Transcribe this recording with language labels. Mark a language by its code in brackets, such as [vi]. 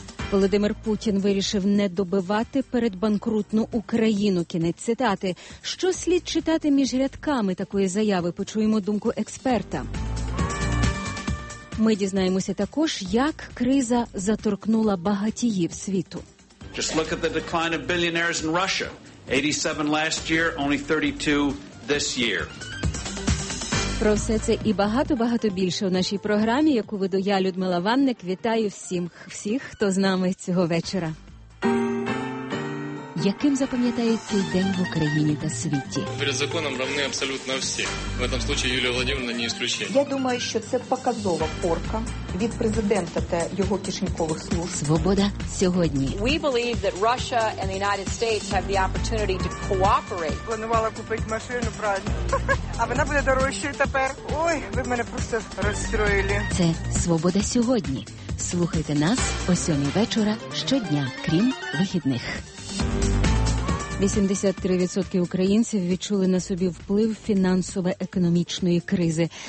[uk] Володимир Путін вирішив не добивати передбанкрутну Україну. Кінець цитати. Що слід читати між рядками такої заяви? Почуємо думку експерта. Ми дізнаємося також, як криза заторкнула багатіїв світу. [en] Just look at the decline of billionaires in Russia. 87 last year, only 32 this year. [uk] Про все це і багато-багато більше у нашій програмі, яку веду я, Людмила Ванник. Вітаю всіх, хто з нами цього вечора. яким запам'ятається день в Україні та світі. Перед законом рівні абсолютно всі. [ru] В этом случае Юлія Володимирівна не исключение. [uk] Я думаю, що це показова порка від президента та його кишенькових слуг. Свобода сьогодні. [en] We believe that Russia and the United States have the opportunity to cooperate. [uk] Планувала купити машину, правильно? А вона буде дорожчою тепер. Ой, ви мене просто розстроїли. Це «Свобода сьогодні». Слухайте нас о 7 вечора щодня, крім вихідних. 83% українців відчули на собі вплив фінансово-економічної кризи.